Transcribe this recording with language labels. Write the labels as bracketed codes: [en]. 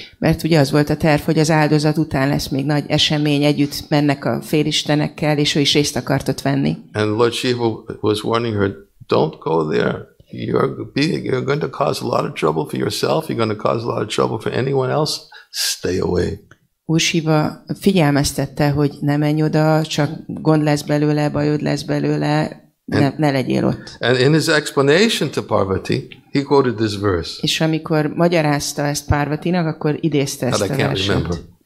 [hu] Mert ugye az volt a terv, hogy az áldozat után lesz még nagy esemény, együtt mennek a félistenekkel, és ő is részt akart ott venni. [en] And Lord Shiva was warning her, don't go there. You're going to cause a lot of trouble for yourself, you're going to cause a lot of trouble for anyone else. Stay away. [hu] Úrsiva figyelmeztette, hogy ne menj oda, csak gond lesz belőle, bajod lesz belőle, ne, ne legyél ott. [en] And in his explanation to Parvati, he quoted this verse. [hu] És amikor magyarázta ezt Parvatinak, akkor idézte ezt a verset.